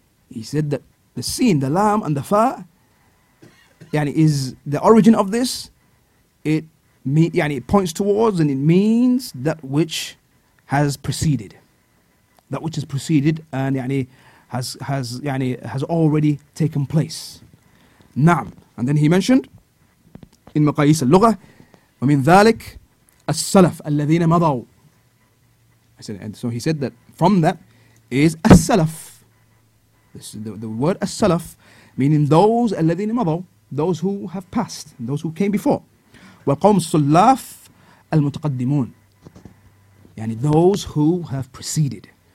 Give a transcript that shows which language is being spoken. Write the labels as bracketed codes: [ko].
[en] He said that the Seen, the Lam, and the Fa, yani, is the origin of this. It points towards, and it means that which has preceded, and yani has already taken place. [ar] Naam. [en] And then he mentioned in [ar] مقاييس اللغة ومن ذلك السلف الذين مضوا. [en] And so he said that from that is as-salaf. This is the word as-salaf, meaning those [ar] الذين مضوا, [en] those who have passed, those who came before. [ar] وَقَوْمُ الصُّلَّافِ الْمُتَقَدِّمُونَ, [en] yani those who have preceded.